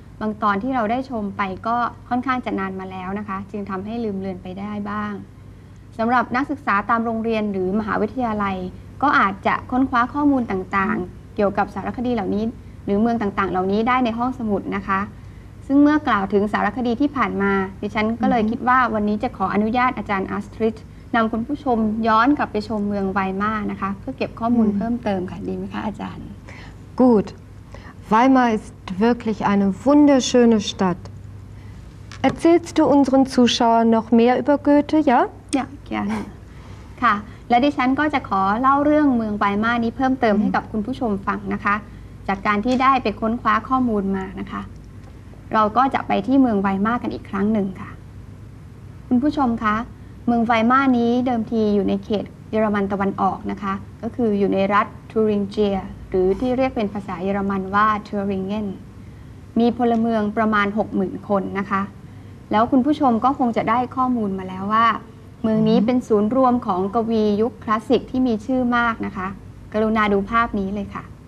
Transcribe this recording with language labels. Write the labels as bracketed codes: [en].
[th] บางตอนที่เราได้ชมไปก็ค่อนข้างจะนานมาแล้วนะคะจึงทำให้ลืมเลือนไปได้บ้างสำหรับนักศึกษาตามโรงเรียนหรือมหาวิทยาลัยก็อาจจะค้นคว้าข้อมูลต่างๆเกี่ยวกับสารคดีเหล่านี้หรือเมืองต่างๆเหล่านี้ได้ในห้องสมุดนะคะซึ่งเมื่อกล่าวถึงสารคดีที่ผ่านมาดิฉันก็เลยคิดว่าวันนี้จะขออนุญาตอาจารย์อัสทริดนำคุณผู้ชมย้อนกลับไปชมเมืองไวมานะคะเพื่อเก็บข้อมูลเพิ่มเติมค่ะดีไหมคะอาจารย์ [de] Gut Weimar ist wirklich eine wunderschöne Stadt Erzählst du unseren Zuschauern noch mehr über Goethe ja Ja gerne [th] ค่ะและดิฉันก็จะขอเล่าเรื่องเมืองไวมานี้เพิ่มเติมให้กับคุณผู้ชมฟังนะคะจากการที่ได้ไปค้นคว้าข้อมูลมานะคะเราก็จะไปที่เมืองไวมากันอีกครั้งหนึ่งค่ะ คุณผู้ชมคะเมืองไวมานี้เดิมทีอยู่ในเขตเยอรมันตะวันออกนะคะก็คืออยู่ในรัฐทูริงเจียหรือที่เรียกเป็นภาษาเยอรมันว่าทูริงเกนมีพลเมืองประมาณ 60,000 คนนะคะแล้วคุณผู้ชมก็คงจะได้ข้อมูลมาแล้วว่าเมืองนี้เป็นศูนย์รวมของกวียุคคลาสสิกที่มีชื่อมากนะคะกรุณาดูภาพนี้เลยค่ะ